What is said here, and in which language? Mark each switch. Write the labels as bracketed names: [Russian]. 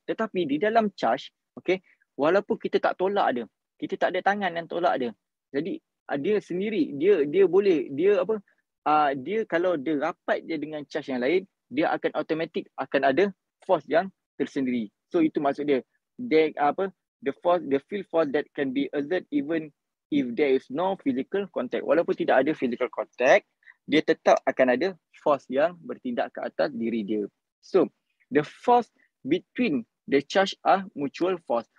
[Malay] Tetapi di dalam charge, okay, walaupun kita tak tolak dia, kita tak ada tangan yang tolak dia, jadi dia sendiri, dia kalau dia rapat dia dengan charge yang lain, dia akan automatic akan ada force yang tersendiri. [English] So [Malay] itu maksud dia, [English] the field force that can be exerted even if there is no physical contact. [Malay] Walaupun tidak ada physical contact, dia tetap akan ada force yang bertindak ke atas diri dia. [English] So the force between the charge are mutual force.